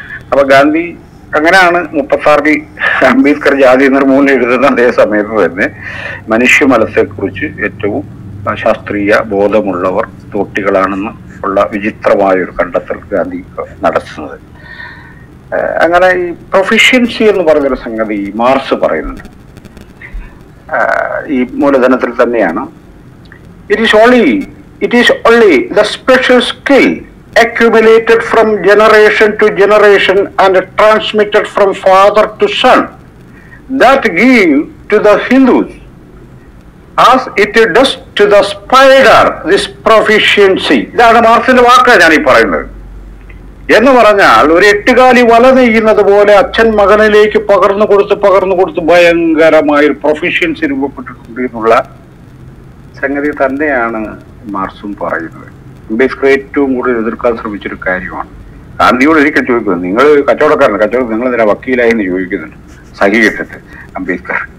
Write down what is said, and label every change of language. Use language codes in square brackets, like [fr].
[ml] അപ്പൊ ഗാന്ധി അങ്ങനെയാണ് 36 അംബേദ്കർ ജാതി നിർമൂലനം എഴുതുന്ന അതേ സമയത്ത് തന്നെ മനുഷ്യ മനസ്സെക്കുറിച്ച് ഏറ്റവും ശാസ്ത്രീയ ബോധമുള്ളവർ തോട്ടികളാണെന്ന് ഉള്ള വിചിത്രമായൊരു കണ്ടെത്തൽ ഗാന്ധി നടത്തുന്നത്. അങ്ങനെ ഈ പ്രൊഫിഷ്യൻസി എന്ന് പറഞ്ഞൊരു സംഗതി മാർസ് പറയുന്നുണ്ട്. ഈ മൂലധനത്തിൽ തന്നെയാണ് [en] It is only the special skill accumulated from generation to generation and transmitted from father to son that give to the Hindus, as it does to the spider, this proficiency. [ml] ഇതാണ് മാർസിന്റെ വാക്ക് ഞാൻ ഈ പറയുന്നത്. എന്ന് പറഞ്ഞാൽ ഒരു എട്ടുകാലി വല നെയ്യുന്നത് പോലെ അച്ഛൻ മകനിലേക്ക് പകർന്നു കൊടുത്ത് ഭയങ്കരമായ ഒരു പ്രൊഫിഷ്യൻസി രൂപപ്പെട്ടിട്ടുണ്ട് എന്നുള്ള സംഗതി തന്നെയാണ് മാർസും പറയുന്നത്. അംബേദ്കർ ഏറ്റവും കൂടുതൽ എതിർക്കാൻ ശ്രമിച്ചൊരു കാര്യമാണ്. ഗാന്ധിയോട് ഒരിക്കൽ ചോദിക്കുന്നത്, നിങ്ങൾ കച്ചവടക്കാരനാണ്, കച്ചവടം നിങ്ങൾ എന്തിനാ വക്കീലായി എന്ന് ചോദിക്കുന്നുണ്ട് സഹി കിട്ടത്ത് അംബേദ്കർ.